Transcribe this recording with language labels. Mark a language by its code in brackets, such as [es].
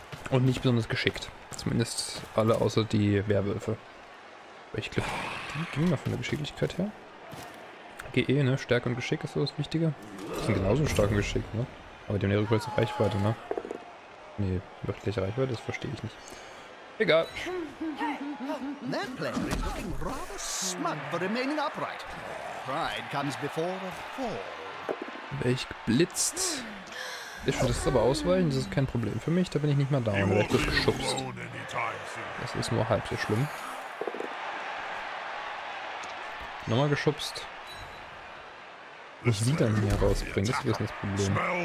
[de] Und nicht besonders geschickt. Zumindest alle außer die Werwölfe. Ich glaube, die gehen mal von der Geschicklichkeit her. GE, ne? Stärke und Geschick ist so das Wichtige. Die sind genauso stark und geschickt, ne? Aber die haben ihre größte Reichweite, ne? Nee, wirklich Reichweite, das verstehe ich nicht. Egal. [en] That player is looking rather smug for remaining upright. Pride comes before a fall. [de] Welch geblitzt. Ich würde das aber ausweichen, das ist kein Problem für mich, da bin ich nicht mehr down, da werde ich geschubst. Das ist nur halb so schlimm. Nochmal geschubst. Was sie dann hier rausbringen, das ist das Problem.